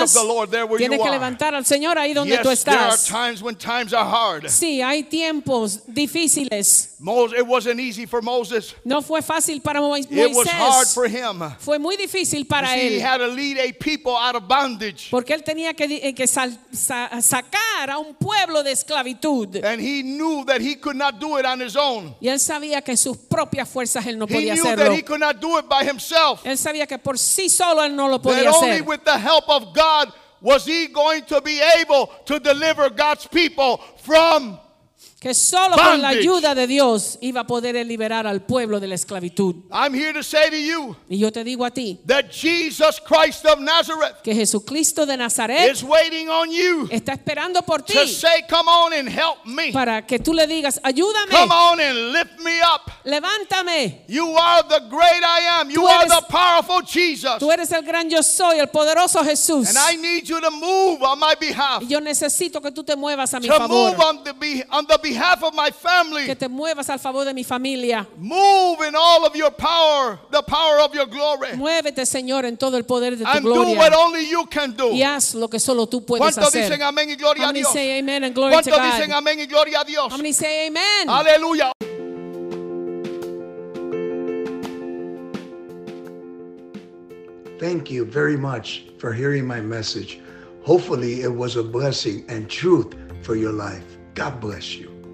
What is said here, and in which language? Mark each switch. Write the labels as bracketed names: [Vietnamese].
[English] Worship the Lord there where [Spanish] tienes [English] you [Spanish] que [English] are. [Spanish] Levantar al Señor ahí donde [English] yes, [Spanish] tú estás. [English] There are times when times are hard. [Spanish] Sí, hay tiempos difíciles. [English] It wasn't easy for Moses. [Spanish] No fue fácil para Moisés. [English] It was hard for him. [Spanish] Fue muy difícil para [English] see, [Spanish] él. [English] He had to lead a people out of bondage. [Spanish] Porque él tenía que sacar a un pueblo de esclavitud. [English] And he knew that he could not do it on his own. [Spanish] Y él sabía que sus propias fuerzas él no podía hacerlo. [English] He knew that he could not do it by himself. [Spanish] Él sabía que por sí solo él no lo podía hacer. [English] only with the help of God was he going to be able to deliver God's people from [Spanish] que solo [English] bondage. [Spanish] Con la ayuda de Dios iba a poder liberar al pueblo de la esclavitud. [English] I'm here to say to you [Spanish] y yo te digo a ti [English] that Jesus Christ of Nazareth [Spanish] que Jesucristo de Nazaret [English] is waiting on you [Spanish] está esperando por ti [English] to say, come on and help me. [Spanish] Para que tú le digas, ayúdame. [English] Come on and lift me up. [Spanish] Levántame. [English] You are the great I am. You [Spanish] tú eres, [English] are the powerful Jesus. [Spanish] Tú eres el gran yo soy, el poderoso Jesús. [English] And I need you to move on my behalf. [Spanish] Y yo necesito que tú te muevas a [English] to [Spanish] mi favor. [English] Move on the behalf of my family. [Spanish] Que te muevas al favor de mi familia. [English] Move in all of your power, the power of your glory. [Spanish] Muévete, Señor, en todo el poder de tu [English] and [Spanish] gloria. [English] Do what only you can do. [Spanish] Y haz lo que solo tú puedes hacer. ¿Cuántos dicen amén y gloria a Dios? [English] How many say amen and glory to God? [Spanish] ¿Cuántos dicen amén y gloria a Dios? [English] How many say amen? [Spanish] Aleluya. [English] Thank you very much for hearing my message. Hopefully it was a blessing and truth for your life. God bless you.